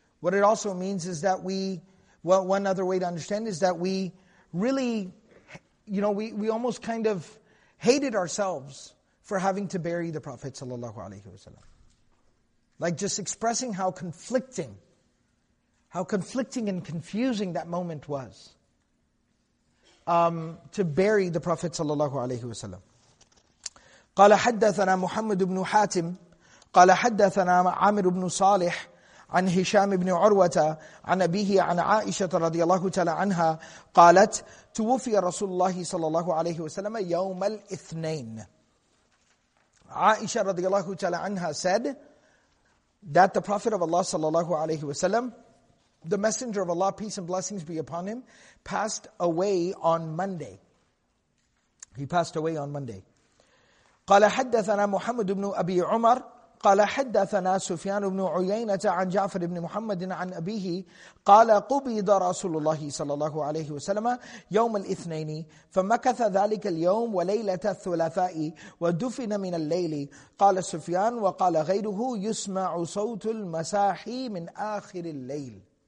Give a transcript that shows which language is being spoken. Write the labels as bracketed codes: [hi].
[en] What it also means is that one other way to understand is that we really, you know, we almost kind of hated ourselves for having to bury the Prophet sallallahu alaihi wasallam. Like just expressing how conflicting and confusing that moment was to bury the Prophet sallallahu alaihi wasallam. [ar] قال حدثنا محمد بن حاتم قال حدثنا عامر بن صالح عن هشام بن عروة عن أبيه عن عائشة رضي الله تعالى عنها قالت توفي رسول الله صلى الله عليه وسلم يوم الاثنين. [en] Aisha radiallahu ta'ala anha said that the Prophet of Allah sallallahu alayhi wa sallam, the Messenger of Allah, peace and blessings be upon him, passed away on Monday. He passed away on Monday. [ar] قَالَ حَدَّثَنَا مُحَمَّدُ بْنُ أَبِي عُمَرُ قَالَ حَدَّثَنَا سُفْيَانُ بْنُ عُيَيْنَةَ عَنْ جَعْفَرِ بْنِ مُحَمَّدٍ عَنْ أَبِيهِ قَالَ قُبِضَ رَسُولُ اللَّهِ sallallahu alayhi wa sallam يَوْمَ الْإِثْنَيْنِ فَمَكَثَ ذَلِكَ الْيَوْمُ وَلَيْلَةَ الثُّلَثَاءِ وَدُفِنَ مِنَ اللَّيْلِ قَالَ سُفْيَانُ وَقَالَ غَيْرُهُ يُسْمَعُ صَوْتُ الْمَسَاحِ مِنْ آخِرِ اللَّيْلِ.